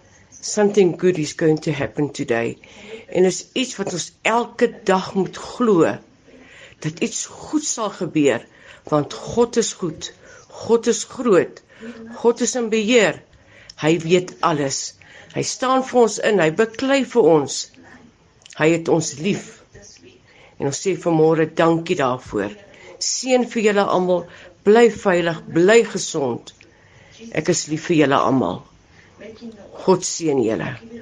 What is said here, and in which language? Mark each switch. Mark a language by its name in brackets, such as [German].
[English] Something good is going to happen today. [Afrikaans] En is iets wat ons elke dag moet glo, dat iets goed sal gebeur, want God is goed, God is groot, God is in beheer, hy weet alles. Hy staan vir ons in, hy beklei vir ons, hy het ons lief. En ons sê vanmôre dankie daarvoor. Seën vir julle almal, bly veilig, bly gesond. Ek is lief vir julle almal. God seën julle.